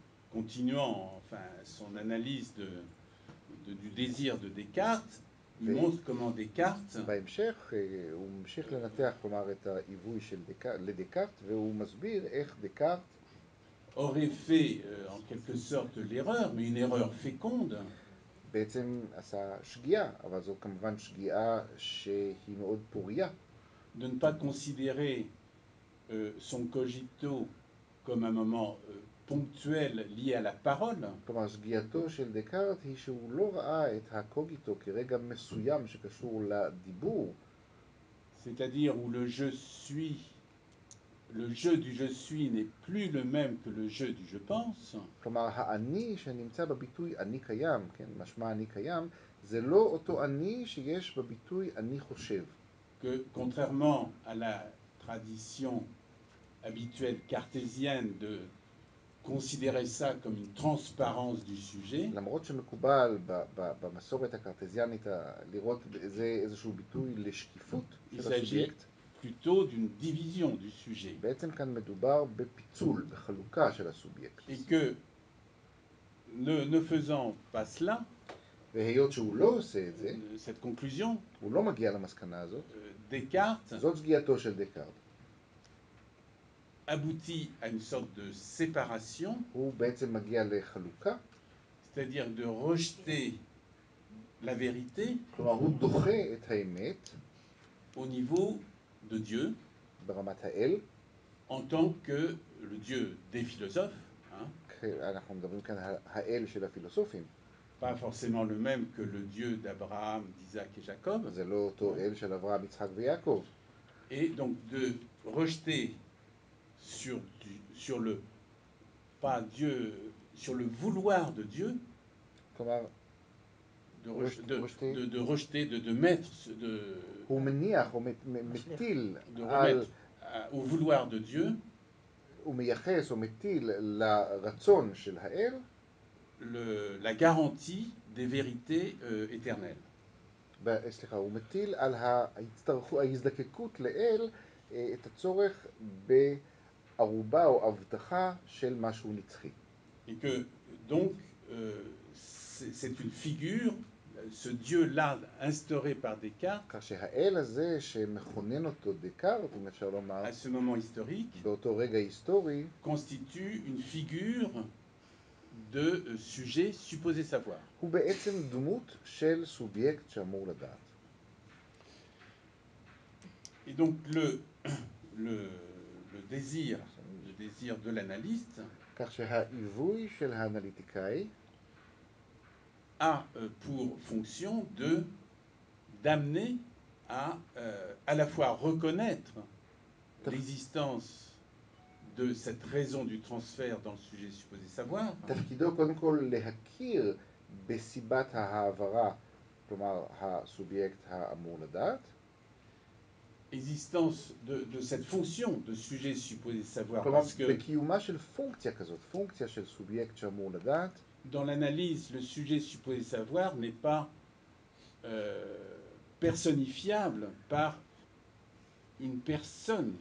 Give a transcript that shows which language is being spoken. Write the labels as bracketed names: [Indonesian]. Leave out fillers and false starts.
[French] continuant enfin son analyse du désir de Descartes, il montre comment Descartes [Hebrew] והמשך לנתח כלומר את העיווי של דקארט והוא מסביר איך דקארט [French] aurait fait en quelque sorte l'erreur mais une erreur féconde [Hebrew] בעצם עשה שגיאה, אבל זו כמובן שגיאה שהיא מאוד פוריה. [French] De ne pas considérer son cogito comme un moment ponctuel lié à la parole. [Hebrew] כלומר, שגיאתו של דקארט היא שהוא לא ראה את הקוגיטו כרגע מסוים שקשור לדיבור. [French] C'est-à-dire où le je suis, le jeu du je suis n'est plus le même que le jeu du je pense. [Hebrew] כלומר, האני שנמצא בביטוי אני קיים, כן, משמע אני קיים, זה לא אותו אני שיש בביטוי אני חושב. [French] Que contrairement à la tradition habituelle cartésienne de considérer ça comme une transparence du sujet, [Hebrew] למרות שמקובל במסורת הקרטזיאנית לראות זה איזשהו ביטוי לשקיפות של הסובייקט, [French] plutôt d'une division du sujet. [Hebrew] בעצם כאן מדובר בפיצול, בחלוקה של הסובייקט. [French] Et que ne faisant pas cela, [Hebrew] והיות שהוא לא עושה את זה, [French] cette conclusion, [Hebrew] הוא לא מגיע למסקנה הזאת, [French] Descartes, [Hebrew] זאת שגיאתו של דקארט, [French] aboutit à une sorte de séparation, [Hebrew] הוא בעצם מגיע לחלוקה, [French] c'est-à-dire de rejeter la vérité, [Hebrew] כלומר הוא דוחה את האמת, [French] au niveau de Dieu, [Hebrew] ברמת האל, [French] en tant que le Dieu des philosophes, [Hebrew] אנחנו מדברים כאן על האל של הפילוסופים, [French] pas forcément le même que le Dieu d'Abraham, d'Isaac et Jacob. [Hebrew] זה לא אותו אל של אברהם, יצחק ויעקב. [French] Et donc de rejeter sur le vouloir de Dieu. [Hebrew] כלומר, [French] de rejeter, de mettre [Hebrew] הוא מניח, הוא מטיל על [French] au vouloir de Dieu. [Hebrew] הוא מייחס, הוא מטיל לרצון של האל. [French] La garantie des vérités éternelles. [Hebrew] אסליחה, הוא מטיל על ההזדקקות לאל את הצורך בערובה או הבטחה של משהו נצחי. [French] Et que donc c'est une figure, ce dieu-là instauré par Descartes. [Hebrew] כך שהאל הזה שמכונן אותו דקארט, אם אפשר לומר, [French] à ce moment historique, [Hebrew] באותו רגע היסטורי, [French] constitue une figure de sujet supposé savoir. [Hebrew] הוא בעצם דמות של סובייקט שאמור לדעת. [French] Et donc le désir de l'analyste, [Hebrew] כך שהעיווי של האנליטיקאי, [French] a pour fonction de d'amener à la fois reconnaître l'existence de cette raison du transfert dans le sujet supposé savoir. [Hebrew] תפקידו קודם כל להכיר בסיבת ההעברה, כלומר הסובייקט האמור לדעת. [French] Existence de cette fonction de sujet supposé savoir. [Hebrew] כלומר, [French] parce que [Hebrew] בקיומה של פונקציה כזאת, פונקציה של סובייקט שאמור לדעת. [French] Dans l'analyse, le sujet supposé savoir n'est pas personnifiable par une personne.